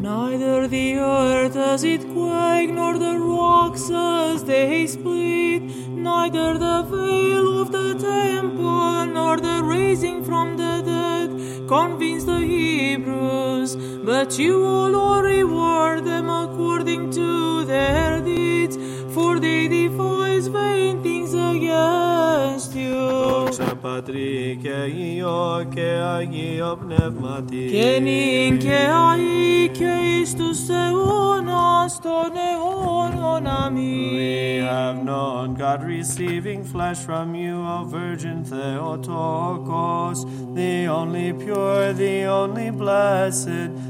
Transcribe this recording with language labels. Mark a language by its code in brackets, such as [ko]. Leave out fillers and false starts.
[en] Neither the earth as it quake, nor the rocks as they split, neither the veil of the temple, nor the raising from the dead, convince the Hebrews. But you, O Lord, reward them according to their deeds, for they devise vain things against you. [el] Δόξα Πατρί και Υιό και Άγιο Πνεύματι, και νυν και αεί και εις τους αιώνας των αιώνων. Αμήν. [en] We have known God receiving flesh from you, O Virgin Theotokos, the only pure, the only blessed.